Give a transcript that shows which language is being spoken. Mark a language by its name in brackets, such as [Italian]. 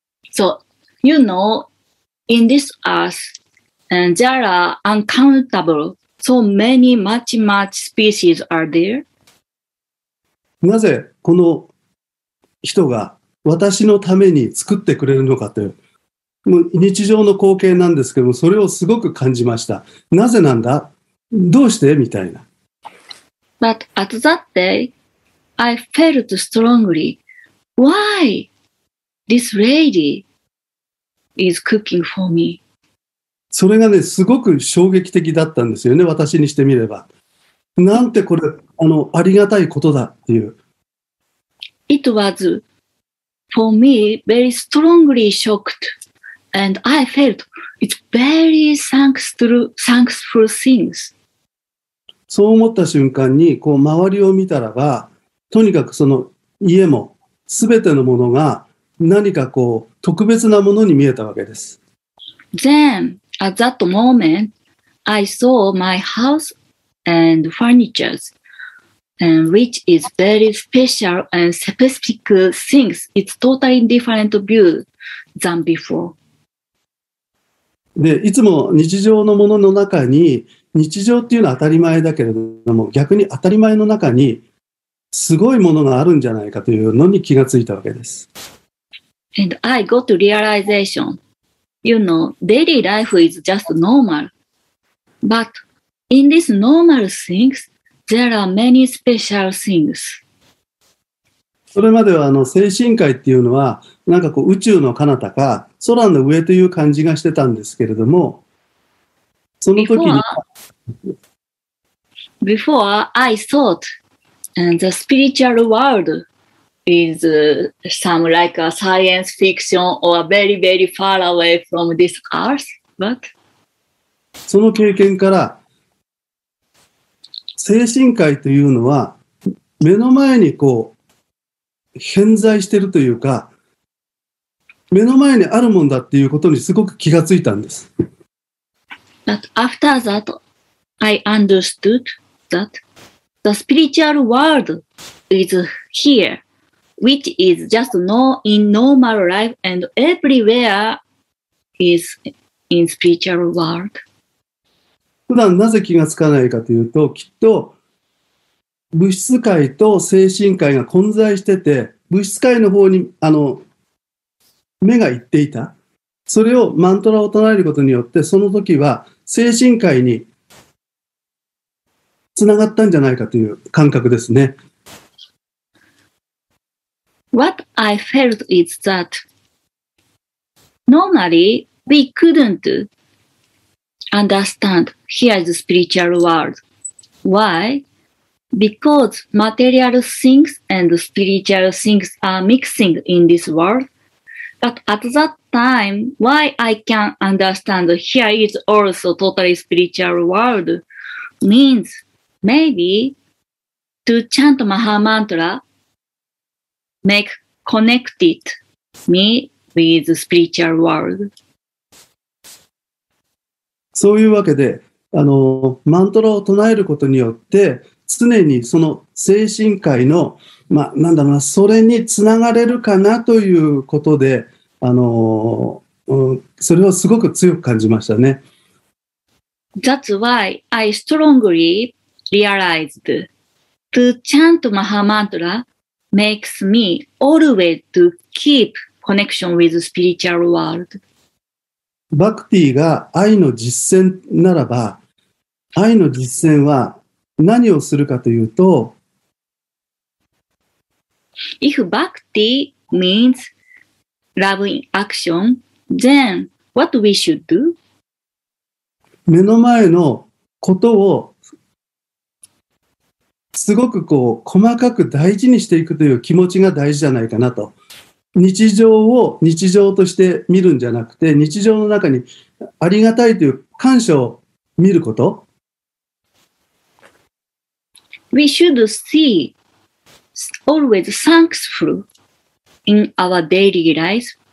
[English] So, you know, in this earth, there are uncountable, so many, much, much species are there. [Japanese] なぜこの人が私のために作ってくれるのかという、もう日常の光景なんですけども、それをすごく感じました。なぜなんだ？どうしてみたいな。 [English] But at that day, I felt strongly, why this lady is cooking for me? [Japanese] それがね、すごく衝撃的だったんですよね、私にしてみれば。なんてこれ、ありがたいことだっていう。 [English] It was for me very strongly shocked, and I felt it's very thankful things. [Japanese] そう思った瞬間に、こう周りを見たらば、とにかくその家も、すべてのものが何かこう特別なものに見えたわけです。 [English] Then, at that moment, I saw my house and furnitures, and which is very special and specific things. It's totally different view than before. [Japanese] で、いつも日常のものの中に、日常っていうのは当たり前だけれども、逆に当たり前の中にすごいものがあるんじゃないかというのに気がついたわけです。 [English] And I got realization. You know, daily life is just normal. But in these normal things, there are many special things. [Japanese] それまでは精神界っていうのは、なんかこう宇宙の彼方か空の上という感じがしてたんですけれども、その時に [English] Before I thought the spiritual world is some like a science fiction or very very far away from this earth, but [Japanese] その経験から精神界というのは目の前にこう偏在してるというか目の前にあるもんだっていうことにすごく気がついたんです。 [English] But after that, I understood that the spiritual world is here, which is just in normal life and everywhere is in spiritual world. [Japanese] 普段なぜ気がつかないかというと、きっと物質界と精神界が混在してて、物質界の方に目が行っていた。それをマントラを唱えることによって、その時は精神界につながったんじゃないかという感覚ですね。 [English] What I felt is that normally we couldn't understand here is the spiritual world. Why? Because material things and spiritual things are mixing in this world. But at that time, why I can understand here is also totally spiritual world means maybe to chant Maha Mantra make connected me with spiritual world. [Japanese] そういうわけで、マントラを唱えることによって常にその精神界の、まあ、なんだろうな、それにつながれるかなということで、それをすごく強く感じましたね。 [English] That's why I strongly realized to chant Maha Mantra makes me always to keep connection with spiritual world. [Japanese] バクティが愛の実践ならば、愛の実践は何をするかというと、 [English] If bhakti means loving action, then what we should do? [Japanese] 目の前のことをすごくこう細かく大事にしていくという気持ちが大事じゃないかなと。日常を日常として見るんじゃなくて、日常の中にありがたいという感謝を見ること。 [English] We should see always thankful in our daily life.